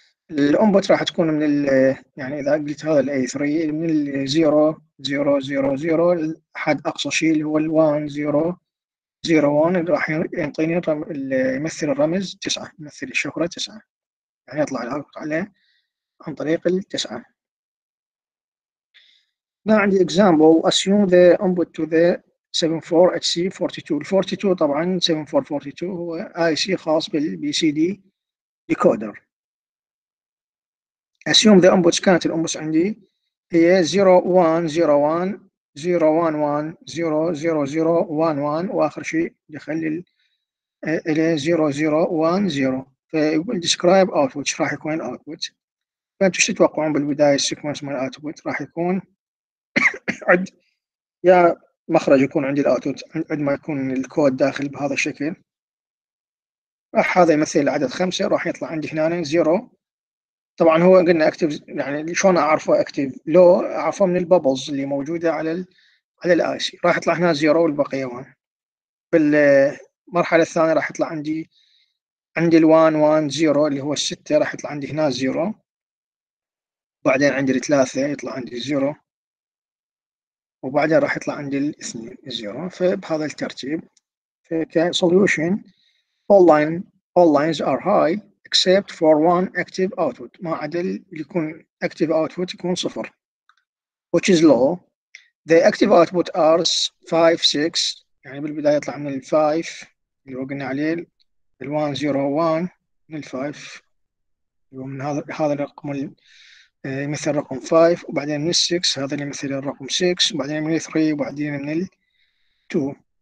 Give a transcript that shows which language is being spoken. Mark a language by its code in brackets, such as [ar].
[ar] الأمبوت راح تكون من ال يعني إذا قلت هذا الـ A3 من الـ 0 0 0 0 حد أقصى شيء اللي هو الـ 1 0 0 1 راح ينطيني يمثل الرمز تسعة، يمثل الشفرة تسعة، يعني يطلع العقد عليه عن طريق التسعة. هنا عندي example [en] assume the input to the 74HC42. [ar] ال 42 طبعا 7442 هو IC خاص بال BCD decoder. [en] Assume the inputs [ar] كانت الانبوتس عندي هي 0101 0110 0011 واخر شيء يخلي ال 0010. فيقول [en] describe output، [ar] ايش راح يكون output؟ فانتوا ايش تتوقعون بالبدايه السيكونس مال output؟ راح يكون عد يا مخرج يكون عندي الاوتبوت عند ما يكون الكود داخل بهذا الشكل، راح هذا يمثل العدد 5 راح يطلع عندي هنا 0. طبعا هو قلنا اكتف، يعني شلون اعرفه اكتف لو اعرفه من البابلز اللي موجوده على على الاي سي، راح يطلع هنا 0 والبقيه 1. بالمرحله الثانيه راح يطلع عندي ال 1 1 0 اللي هو الستة، راح يطلع عندي هنا 0. بعدين عندي الثلاثه يطلع عندي 0، وبعدها راح يطلع عندي الاثنين زيرو. فبهذا الترتيب فك [en] solution all lines are high except for one active output، [ar] ما عدا اللي يكون active output يكون صفر [en] which is low. The active output are 5 6، [ar] يعني بالبداية يطلع من الفايف اللي وقلنا عليه ال 101 من الفايف اللي هو من هذا الرقم ال مثل رقم 5، وبعدين من 6 هذا اللي مثل الرقم 6، وبعدين من 3، وبعدين من 2.